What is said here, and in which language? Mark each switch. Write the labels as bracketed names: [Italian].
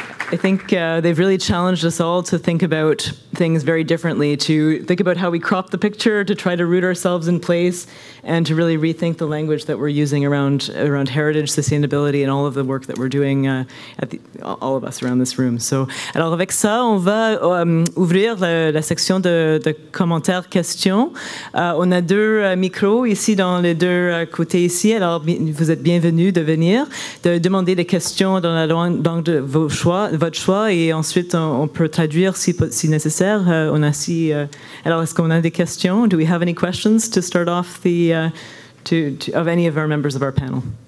[English] I think they've really challenged us all to think about things very differently, to think about how we crop the picture, to try to root ourselves in place, and to really rethink the language that we're using around heritage, sustainability, and all of the work that we're doing all of us around this room. [French] So, alors avec ça, on va ouvrir la section de commentaires, questions. On a deux micros ici dans les deux côtés ici. Alors, vous êtes bienvenus de venir, de demander des questions dans la langue de vos choix. Votre choix, et ensuite on peut traduire si nécessaire. Alors, est-ce qu'on a des questions? [English] Do we have any questions to start off of any of our members of our panel?